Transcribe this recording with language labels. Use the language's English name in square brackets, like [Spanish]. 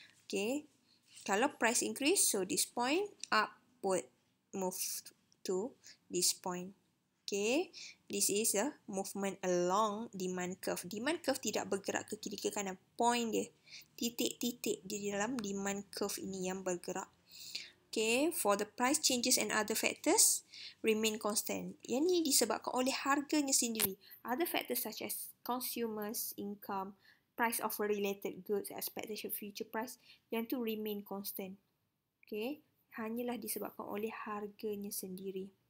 [English] Okay, kalau price increase, so this point upward move to this point. Okay, this is a movement along demand curve. [Malay] Demand curve tidak bergerak ke kiri ke kanan. Point dia, titik-titik di dalam demand curve ini yang bergerak. [English] Okay, for the price changes and other factors remain constant. [Malay] Yang ini disebabkan oleh harganya sendiri. [English] Other factors such as consumers, income, price of related goods, expectation future price, [Malay] yang tu [English] remain constant. [Malay] Okay, hanyalah disebabkan oleh harganya sendiri.